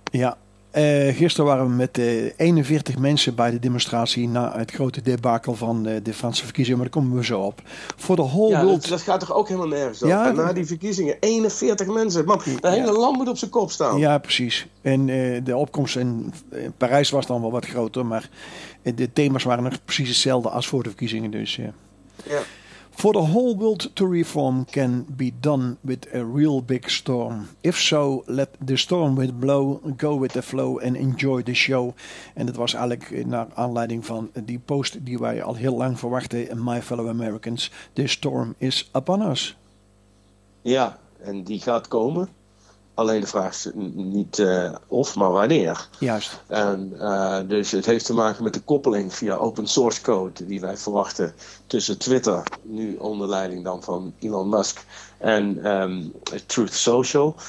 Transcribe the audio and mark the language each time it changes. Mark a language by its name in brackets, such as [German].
[Dutch] Ja, gisteren waren we met 41 mensen bij de demonstratie na het grote debakel van de Franse verkiezingen. Maar daar komen we zo op. Voor de [English] whole world... [Dutch] Dat gaat toch ook helemaal nergens op? Ja, na die verkiezingen, 41 mensen. Man, het hele land moet op zijn kop staan. Ja, precies. En de opkomst in Parijs was dan wel wat groter. Maar de thema's waren nog precies hetzelfde als voor de verkiezingen. [English] Dus, For the whole world to reform can be done with a real big storm. If so, let the storm with blow, go with the flow and enjoy the show. [Dutch] En dat was eigenlijk naar aanleiding van die post die wij al heel lang verwachten. [English] My fellow Americans, the storm is upon us. [Dutch] Ja, en die gaat komen. Alleen de vraag is niet of, maar wanneer. Juist. En dus het heeft te maken met de koppeling via open source code die wij verwachten tussen Twitter, nu onder leiding dan van Elon Musk, en Truth Social.